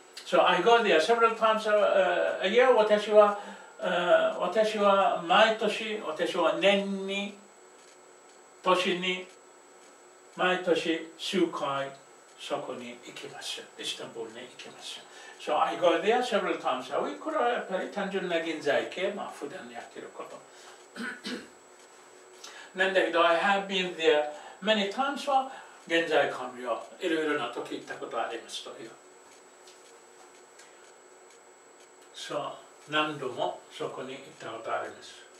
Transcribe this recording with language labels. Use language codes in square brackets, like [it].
[en] So I go there several times a year. [ja] 私は毎年、私は年に、毎年数回。そこに行きます。イスタンブールに行きます。 [en] So I go there several times a week. [ja] これはやっぱり単純な現在形、まあ普段やってること。なんだけど、 [en] I have been there many times [ja] は現在完了。いろいろな時行ったことありますという。 So 何度もそこに行ったことあります。